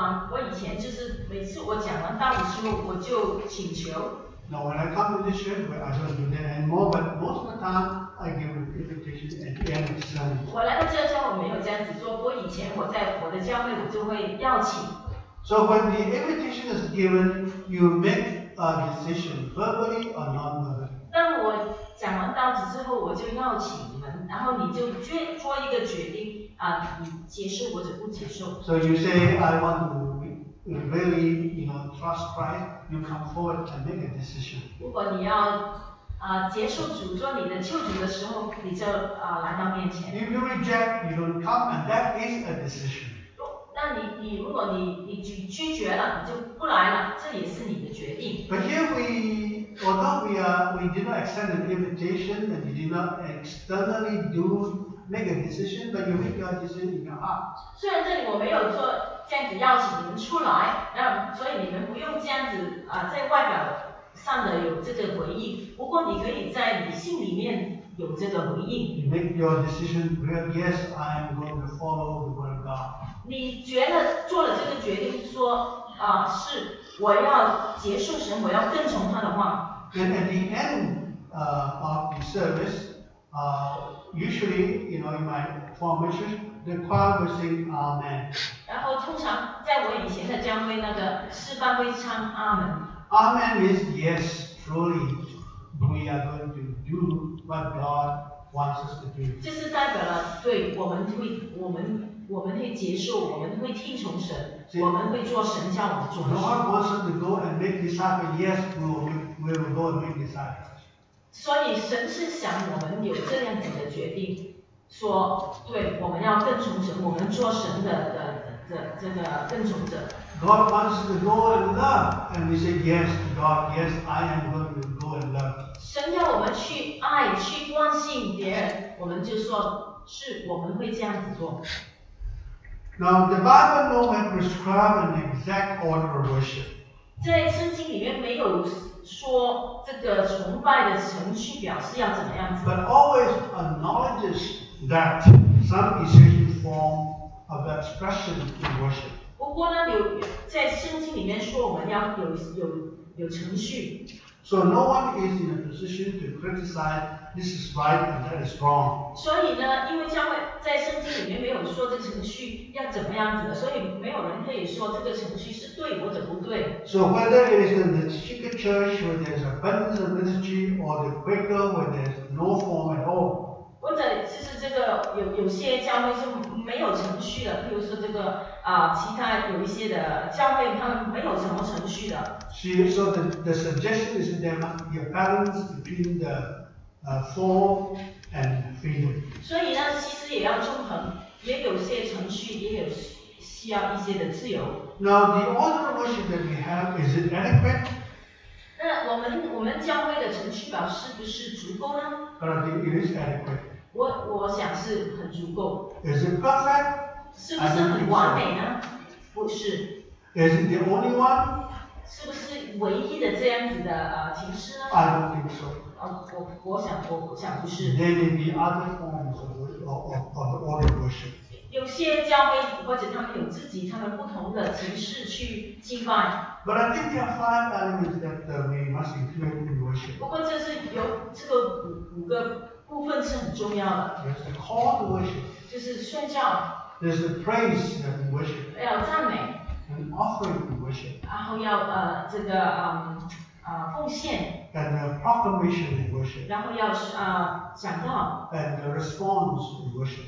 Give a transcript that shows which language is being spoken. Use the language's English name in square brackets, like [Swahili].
[Chinese] 我以前就是每次我讲完道理之后，我就请求。 [English] Now when I come to this church, I don't do that anymore, but most of the time, I give the invitation at the end of the sermon. [Chinese] 我来到这个教会没有这样子做，不过以前我在我的教会我就会邀请。 [English] So when the invitation is given, you make a decision verbally or non-verbally. [Chinese] 当我讲完道子之后，我就邀请你们，然后你就做一个决定，你接受或者不接受。 [English] So you say, I want to really, you know, trust Christ, you come forward and make a decision. [Chinese] 如果你要接受主做你的救主的时候，你就来到面前。 [English] If you reject, you don't come, and that is a decision. [Chinese] 那你如果你拒绝了，你就不来了，这也是你的决定。 [English] But here we did not accept an invitation, and we did not externally make a decision, but you make your decision in your heart. [Chinese] 虽然这里我没有做这样子邀请你们出来，那所以你们不用这样子在外表上的有这个回应，不过你可以在你心里面有这个回应。 [English] You make your decision real, yes, I am going to follow the word of God. [Chinese] 你觉得做了这个决定说是我要结束神，我要跟从他的话。 [English] Then at the end of the service, usually, you know, in my formation, the choir will sing Amen. [Chinese] 然后通常在我以前的教会那个示范会唱 Amen. [English] Amen is yes, truly, we are going to do what God wants us to do. [Chinese] 就是代表了对我们会接受，我们会听从神。 [English] See, [Chinese] 我们会做神叫我们做的。 [English] God wants us to go and make disciples. Yes, we will go and make disciples. [Chinese] 所以神是想我们有这样子的决定，说对，我们要更从神，我们做神的这个更从者。 [English] God wants us to go and love, and we say yes to God. Yes, I am going to go and love. [Chinese] 神要我们去爱，去关心别人，我们就说是我们会这样子做。 [English] Now the Bible nowhere prescribes an exact order of worship. [Chinese] 在圣经里面没有说这个崇拜的程序表是要怎么样子。 [English] But always acknowledges that some essential form of expression in worship. [Chinese] 不过呢，在圣经里面说我们要有程序。 [English] So no one is in a position to criticize this is right and that is wrong. [Chinese] 所以呢，因为教会在圣经里面没有说这程序要怎么样子的，所以没有人可以说这个程序是对或者不对。 [English] So whether it is in the Chicken Church where there is abundance of liturgy or the Quaker where there is no form at all. [Chinese] 或者其实这个有些教会是没有程序的，比如说这个其他有一些的教会他们没有什么程序的。 [English] See, so the suggestion is that there must be a balance between the form and freedom. [Chinese] 所以呢，其实也要纵横，也有些程序，也有需要一些的自由。 [English] Now the order of worship that we have is it adequate? [Chinese] 那我们教会的程序表是不是足够呢？ [English] But I think it is adequate. [Chinese] 我想是很足够。 [English] Is it perfect? [Chinese] 是不是很完美呢？不是。 [English] Is it the only one? [Chinese] 是不是唯一的这样子的形式呢？ [English] I don't think so. [Chinese] 我想不是。 [English] There may be other forms of order worship. [Chinese] 有些教会或者他们有自己他们不同的形式去敬拜。 [English] But I think there are five elements that we must include in worship. [Chinese] 不过这是有这个五个部分是很重要的。 [English] There's the call to worship. [Chinese] 就是宣教。 [English] There's the praise that we worship. [Chinese] 要赞美。 [English] And offering to worship. [Chinese] 然后要这个奉献。 [English] And the proclamation in worship. [Chinese] 然后要讲到。 [English] And the response in worship.